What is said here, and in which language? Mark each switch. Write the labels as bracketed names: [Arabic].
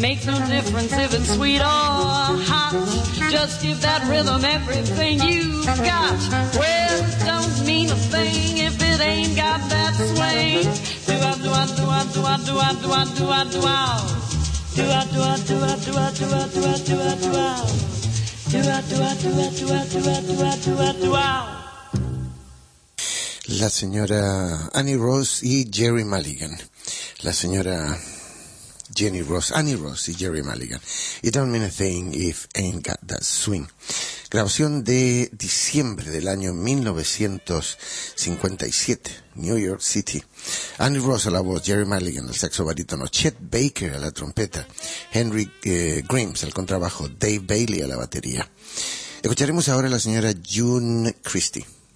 [English] Makes no difference if it's sweet or hot. Just give that rhythm everything you've got. Well, it don't mean a thing if it ain't got that swing. Do a do a do a do a do a do a do a do a do a do a do a do a do a do a do a do a do a do a do a do a do a do a do a do a. [Spanish] La señora Annie Ross y Jerry Mulligan. La señora Jenny Ross, Annie Ross y Jerry Mulligan. [English] It don't mean a thing if ain't got that swing. [Spanish] Grabación de diciembre del año 1957, New York City. Annie Ross a la voz, Jerry Mulligan al saxo barítono, Chet Baker a la trompeta, Henry Grimes al contrabajo, Dave Bailey a la batería. Escucharemos ahora a la señora June Christie.